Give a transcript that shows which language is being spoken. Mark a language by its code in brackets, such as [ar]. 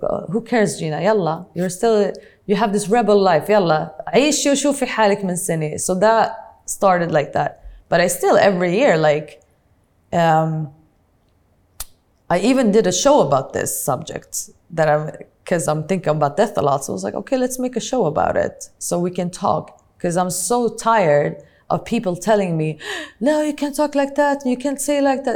[en] Who cares, Gina? Yalla, you're still, you have this rebel life. [ar] Yalla, عيشي وشوفي حالك من سنة. [en] So that started like that. But I still every year, like, I even did a show about this subject that I'm, because I'm thinking about death a lot. So I was like, okay, let's make a show about it so we can talk. Because I'm so tired of people telling me, no, you can't talk like that, you can't say like that.